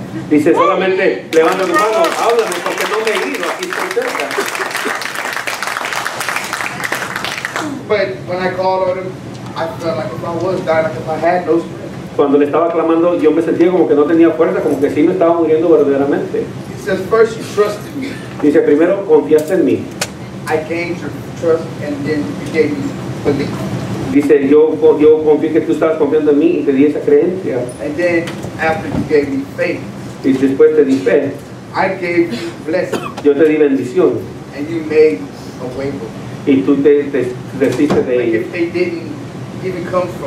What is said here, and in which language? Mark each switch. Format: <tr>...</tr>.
<es>Dice, solamente levanta tu mano, háblame porque no me he ido, aquí estoy cerca.</es> <en>But when I called on him, I felt like if I was dying, like if I had no.</en> <es>Cuando le estaba clamando, yo me sentía como que no tenía fuerza, como que sí me estaba muriendo verdaderamente.</es> <en>He says, first you trusted me.</en> <es>Dice, primero confiaste en mí.</es> <en>I came to trust and then you gave me belief.</en> <es>Dice, yo confié que tú estabas confiando en mí y te di esa creencia.</es> <en>And then after you gave me faith.</en> <es>Y después te di fe.</es> <en>I gave you blessing.</en> <es>Yo te di bendición.</es> <en>And you made a way for me.</en> <es>Y tú te deciste de ellos.</es>